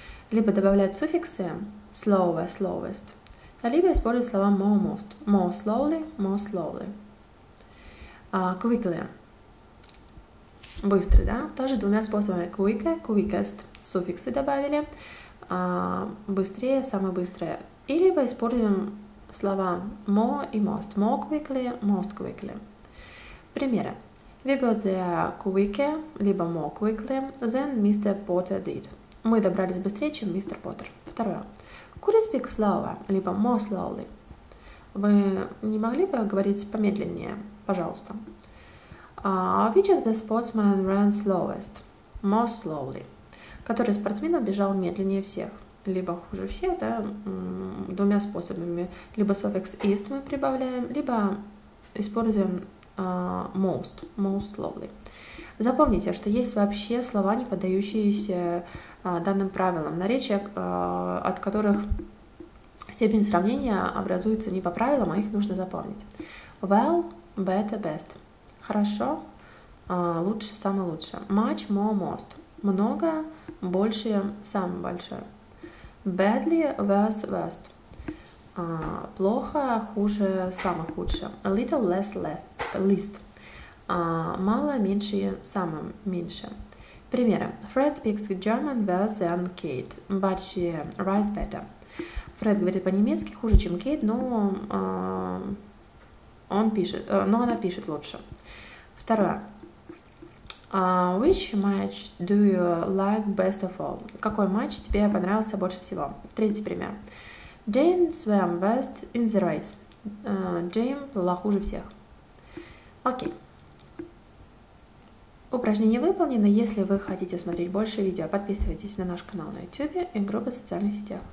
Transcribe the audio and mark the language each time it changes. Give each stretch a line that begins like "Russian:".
Russian: Либо добавлять суффиксы
English: slower, slowest,
Russian: либо использовать слова more, most.
English: More slowly, more slowly.
Russian: Quickly. Быстро, да? Тоже двумя способами.
English: Quicker, quickest.
Russian: Суффиксы добавили. Быстрее, самое быстрое. И либо используем слова more и most.
English: More quickly, most quickly.
Russian: Примеры.
English: We got there quicker, либо more quickly, than Mr. Potter did.
Russian: Мы добрались быстрее, чем мистер Поттер. Второе.
English: Could you speak slower, либо more slowly?
Russian: Вы не могли бы говорить помедленнее, пожалуйста?
English: Which of the sportsmen ran slowest? Most slowly.
Russian: Который спортсмен бежал медленнее всех, либо хуже всех, да, двумя способами. Либо суффикс ist мы прибавляем, либо используем most,
English: most slowly.
Russian: Запомните, что есть вообще слова, не поддающиеся данным правилам, наречия, от которых степень сравнения образуется не по правилам, а их нужно запомнить.
English: Well, better, best.
Russian: Хорошо, лучше, самое лучшее.
English: Much, more, most.
Russian: Много, больше, самое большое.
English: Badly, worse, worst.
Russian: Плохо, хуже, самое худшее.
English: A little less, less. Лист.
Russian: Мало, меньше, самым меньше. Примеры.
English: Fred speaks German worse than Kate, but she writes better.
Russian: Фред говорит по-немецки хуже, чем Кейт, но он пишет, но она пишет лучше. Второе.
English: Which match do you like best of all?
Russian: Какой матч тебе понравился больше всего? Третий пример.
English: Jane swam best in the race.
Russian: Jane была хуже всех. Окей. Упражнение выполнено. Если вы хотите смотреть больше видео, подписывайтесь на наш канал на YouTube и группы в социальных сетях.